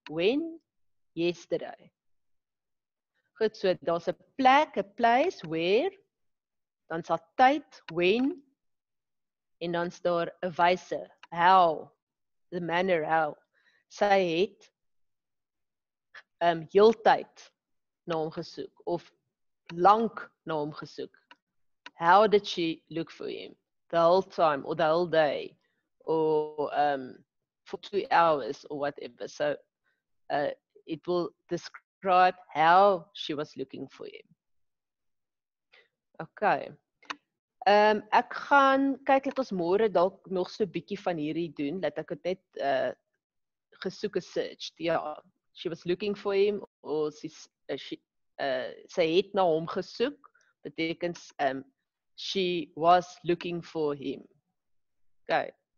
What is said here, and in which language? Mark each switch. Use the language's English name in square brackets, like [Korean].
[Afrikaans] When? Yesterday. Goed, so daar's 'n plek, a place, where, dan sal tyd, when, en dan is daar 'n wyse, how, the manner how. Sy het heeltyd na hom gesoek, of lank na hom gesoek. [English] How did she look for him? The whole time, or the whole day, or for 2 hours, or whatever. So, it will describe how she was looking for him. Okay. [Afrikaans] Ek gaan kyk dat ons môre dalk nog so 'n bietjie van hierdie doen, dat ek het net gesoek a search. [English] Ja, she was looking for him, or [Afrikaans] sy het na hom gesoek, beteken [English] she was looking for him. Okay.